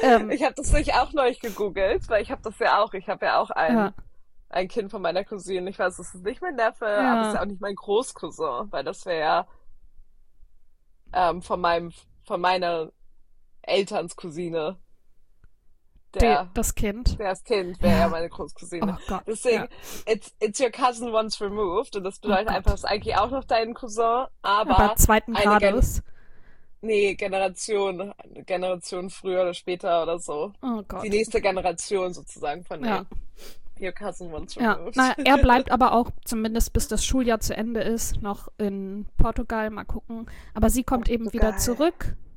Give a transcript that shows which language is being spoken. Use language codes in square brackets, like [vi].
[de] Ich habe das nicht auch neu gegoogelt, weil ich habe das ja auch. Ich habe ja auch ein Kind von meiner Cousine. Ich weiß, es ist nicht mein Neffe, aber es ist ja auch nicht mein Großcousin, weil das wäre ja von meiner Elternscousine. Das Kind wäre ja meine Großcousine. Oh Gott, [en] deswegen, it's your cousin once removed. [de] Und das bedeutet einfach, es ist eigentlich auch noch dein Cousin, aber zweiten Grades. Generation früher oder später oder so. Oh Gott. Die nächste Generation sozusagen von [en] your cousin once removed. [de] Ja. Naja, er bleibt aber auch, zumindest bis das Schuljahr zu Ende ist, noch in Portugal. Mal gucken. Aber sie kommt eben wieder zurück.